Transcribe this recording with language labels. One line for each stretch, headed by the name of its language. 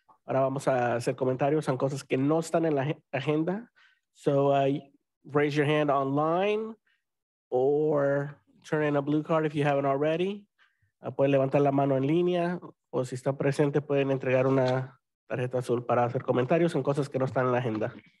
Spanish: Ahora vamos a hacer comentarios en cosas que no están en la agenda.
English: So raise your hand online or turn in a blue card if you haven't already.
Spanish: Pueden levantar la mano en línea o si están presentes pueden entregar una tarjeta azul para hacer comentarios en cosas que no están en la agenda.